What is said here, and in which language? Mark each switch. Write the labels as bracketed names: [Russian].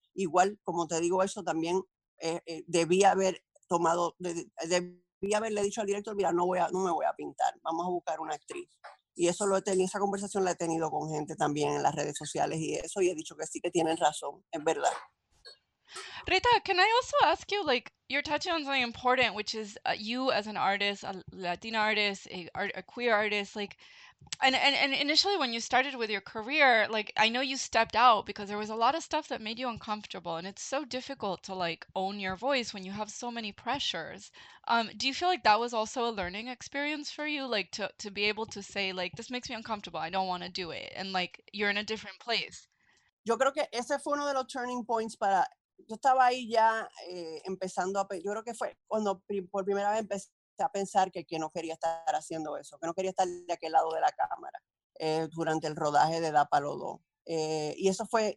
[Spanish] Igual, como te digo, eso también debí haberle dicho al director, mira, no me voy a pintar, vamos a buscar una actriz. Y eso lo he tenido, esa conversación la he tenido con gente también en las redes sociales y eso, y he dicho que sí, que tienen razón, es verdad. [English] Rita, can I also ask you, like, you're touching on something important, which is you as an artist, a Latina artist, a queer artist, like, and initially when you started with your career, like, I know you stepped out because there was a lot of stuff that made you uncomfortable, and it's so difficult to, like, own your voice when you have so many pressures. Do you feel like that was also a learning experience for you, like, to be able to say, like, this makes me uncomfortable, I don't want to do it, and, like, you're in a different place? [Spanish] Yo creo que ese fue uno de los [English] turning points [Spanish] para... Yo estaba ahí ya empezando a... Yo creo que fue cuando por primera vez empecé a pensar que no quería estar haciendo eso, que no quería estar de aquel lado de la cámara durante el rodaje de Da Palo 2. Y eso fue...